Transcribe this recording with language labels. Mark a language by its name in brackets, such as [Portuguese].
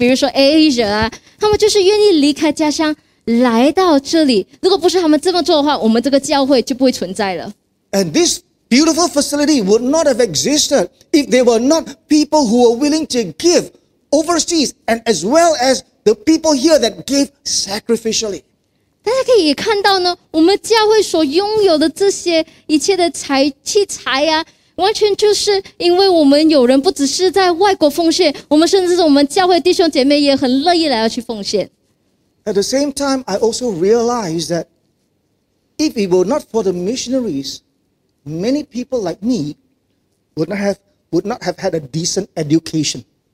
[Chinese] 你可以想象到呢，我们如果不是因为那些宣教师，他们愿意离开他们的家乡，甚至是那时我们没有其他那种很出名的飞机公司，比如说Air Asia啊，他们就是愿意离开家乡。来到这里，如果不是他们这么做的话，我们这个教会就不会存在了。 [English] And this beautiful facility would not have existed if there were not people who were willing to give overseas and as well as the people here that gave sacrificially. [Chinese] 大家可以看到呢，我们教会所拥有的这些一切的器材啊，完全就是因为我们有人不只是在外国奉献，我们甚至是我们教会弟兄姐妹也很乐意来要去奉献。 [English] At the same time, I also realize that if it were not for the missionaries, many people like me would not have had a decent education.